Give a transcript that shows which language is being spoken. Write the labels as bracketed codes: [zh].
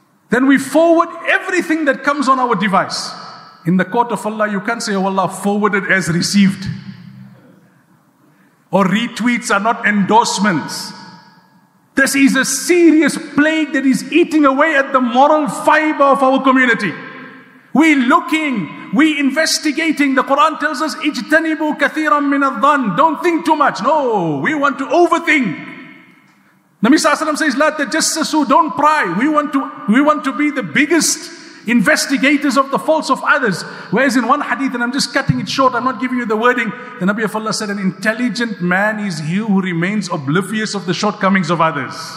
[en] Then we forward everything that comes on our device. In the court of Allah, you can't say, oh Allah, forwarded as received. Or retweets are not endorsements. This is a serious plague that is eating away at the moral fiber of our community. We're looking, we're investigating. The Quran tells us, [ar] اجتنبوا كثيرا من الظن. [en] Don't think too much. No, we want to overthink. Nabi Sallallahu Alaihi Wasallam says, [ar] "La tajassasu," [en] don't pry. We want to be the biggest investigators of the faults of others. Whereas in one hadith, and I'm just cutting it short, I'm not giving you the wording, the Nabi of Allah said, an intelligent man is he who remains oblivious of the shortcomings of others.